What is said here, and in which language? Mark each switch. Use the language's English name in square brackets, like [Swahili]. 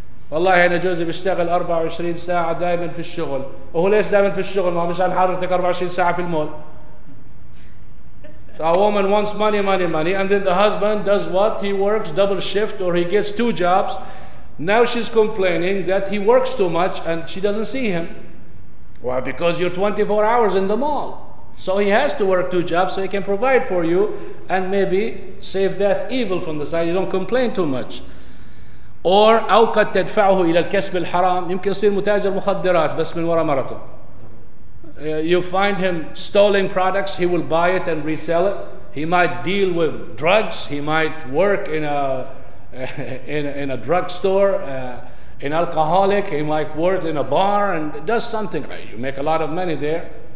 [Arabic] والله أنا جوزي بيشتغل 24 ساعة دائما في الشغل، وهو ليش دائما في الشغل؟ ما مشان حضرتك 24 ساعة في المول. [English] So a woman wants money, money, money, and then the husband does what? He works double shift, or he gets two jobs. Now she's complaining that he works too much and she doesn't see him. Why? Because you're 24 hours in the mall. So he has to work two jobs so he can provide for you and maybe save that evil from the side. You don't complain too much. [Arabic] Or أو قد تدفعه إلى الكسب الحرام. يمكن يصير متاجر مخدرات بس من وراء مرته. [English] You find him stealing products, he will buy it and resell it. He might deal with drugs, he might work in a drug store, an alcoholic, he might work in a bar and does something. You make a lot of money there.